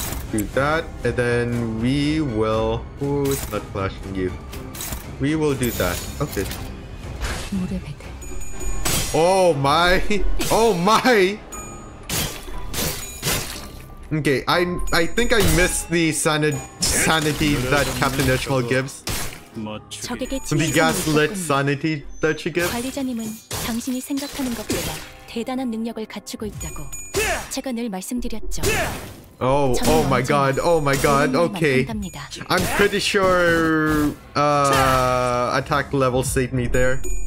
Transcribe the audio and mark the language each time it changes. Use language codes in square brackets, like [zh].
[en] Do that. And then we will... Ooh, it's not flashing you. We will do that. Okay. Oh my! Oh my! Okay, I think I missed the sanity that Captain Ishmael gives. The gaslit sanity that she gives. [ko] 관리자님은 당신이 생각하는 것보다 대단한 능력을 갖추고 있다고 제가 늘 말씀드렸죠. [en] Oh my god. Oh my god. Okay. I'm pretty sure attack level saved me there.